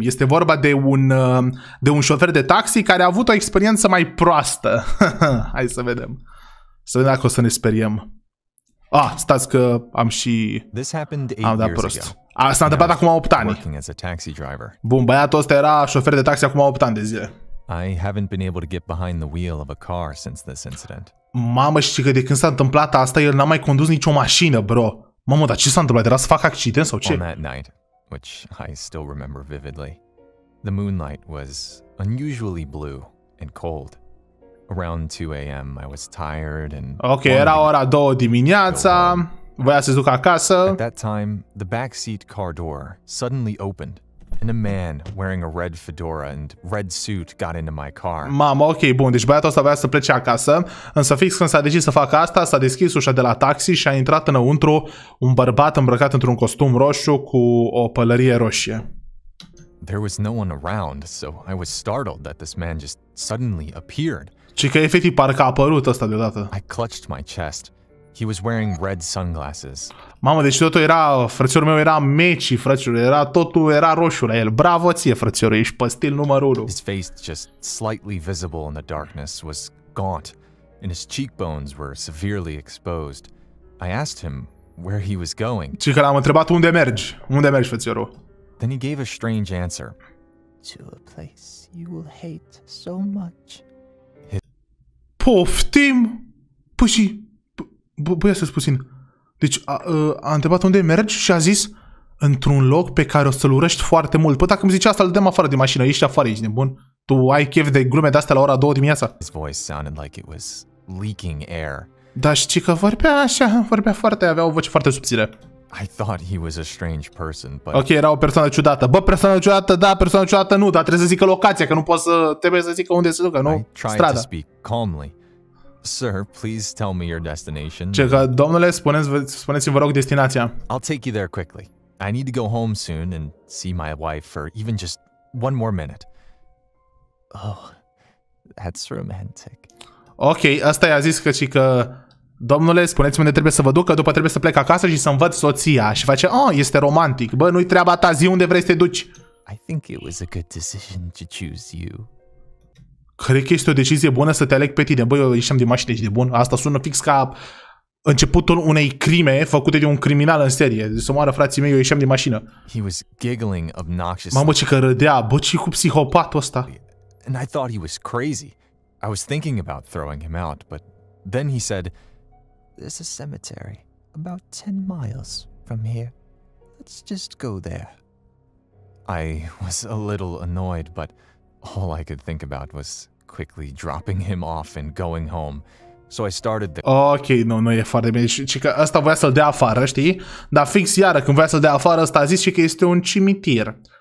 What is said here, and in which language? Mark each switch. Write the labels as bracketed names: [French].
[Romanian] Este vorba de un șofer de taxi care a avut o experiență mai proastă. Hai să vedem. Să vedem dacă o să ne speriem. Ah, stați că am și... am dat prost. S-a întâmplat acum 8 ani. Bun, băiatul ăsta era șofer de taxi acum 8 ani de zile. [English] I haven't been able to get behind the wheel of a car since this incident. [Romanian] Mamă, știi că de când s-a întâmplat asta, el n-a mai condus nicio mașină, bro. Mamă, dar ce s-a întâmplat? Era să fac accident sau ce? [English] On that night, which I still remember vividly, the moonlight was unusually blue and cold. Around 2 a.m., I was tired and... [Romanian] Ok, era ora 2 dimineața, voia să se duc acasă. [English] At that time, the backseat car door suddenly opened. And a man wearing a red fedora and red suit got into my car. [Romanian] Mamă, ok, bun, deci băiatul ăsta voia să plece acasă, însă fix când s-a decis să facă asta, s-a deschis ușa de la taxi și a intrat înăuntru un bărbat îmbrăcat într-un costum roșu cu o pălărie roșie. [English] There was no one around, so I was startled that this man just suddenly appeared. [Romanian] Ci că efectiv parcă a apărut ăsta deodată. [English] I clutched my chest. He was wearing red sunglasses. [Romanian] Mamă, deci totul era, frățiorul meu era meci, frățiorul, era totul era roșu la el. Bravo ție, frățiorul, ești păstil numărul 1. [English] His face just slightly visible in the darkness was gaunt and his cheekbones were severely exposed. I asked him where he was going. [Romanian] Și că l-am întrebat unde mergi? Unde mergi, frățiorul? [English] Then he gave a strange answer. To a place you will hate so much. [Romanian] Poftim. Pușii. Băia să-ți puțin. Deci a întrebat unde mergi și a zis într-un loc pe care o să-l urăști foarte mult. Păi dacă îmi zice asta, îl dăm afară de mașină. Ești afară, ești nebun. Tu ai chef de glume de astea la ora 2 dimineața. [English] His voice sounded like it was leaking air. [Romanian] Dar știi că vorbea așa, vorbea foarte, avea o voce foarte subțire. [English] I thought he was a strange person, but... [Romanian] Ok, era o persoană ciudată. Bă, persoană ciudată, da, persoană ciudată, nu. Dar trebuie să zică locația, că nu poți să... Trebuie să zică unde se ducă, nu? Strada. [English] Sir, please tell me your destination. [Romanian] Ce că, domnule, spuneți-mi, vă rog, destinația. [English] I'll take you there quickly. I need to go home soon and see my wife for even just one more minute. Oh, that's romantic. [Romanian] Ok, asta i-a zis că, și că, domnule, spuneți-mi unde trebuie să vă duc, că după trebuie să plec acasă și să-mi văd soția. Și face, oh, este romantic. Bă, nu-i treaba ta, zi unde vrei să te duci. [English] I think it was a good decision to choose you. [Romanian] Cred că este o decizie bună să te aleg pe tine. Băi, eu ieșeam din mașină și de bun. Asta sună fix ca începutul unei crime făcute de un criminal în serie. Să moară frații mei, eu ieșeam din mașină. [English] He was giggling obnoxiously. [Romanian] Mamă, ce că râdea. Bă, ce cu psihopatul ăsta? [English] And I thought he was crazy. I was thinking about throwing him out, but then he said, there's a cemetery about 10 miles from here. Let's just go there. I was a little annoyed, but all I could think about was quickly dropping him off and going home. So I started the... [Romanian] Ok, nu e foarte bine. Și că ăsta voia să-l dea afară, știi? Dar fix iară când voia să-l dea afară, ăsta a zis și că este un cimitir.